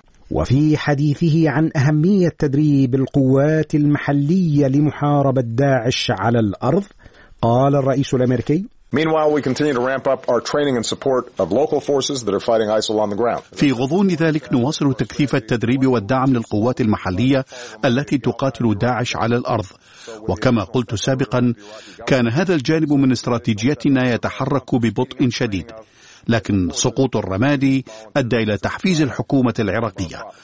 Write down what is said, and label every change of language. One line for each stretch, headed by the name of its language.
Arabic: وفي حديثه عن أهمية تدريب القوات المحلية لمحاربة داعش على الأرض قال الرئيس الأمريكي:
English: Meanwhile, we continue to ramp up our training and support of local forces that are fighting ISIL on the ground.
Arabic: في غضون ذلك نواصل تكثيف التدريب والدعم للقوات المحلية التي تقاتل داعش على الأرض. وكما قلت سابقا، كان هذا الجانب من استراتيجيتنا يتحرك ببطء شديد، لكن سقوط الرمادي أدى إلى تحفيز الحكومة العراقية.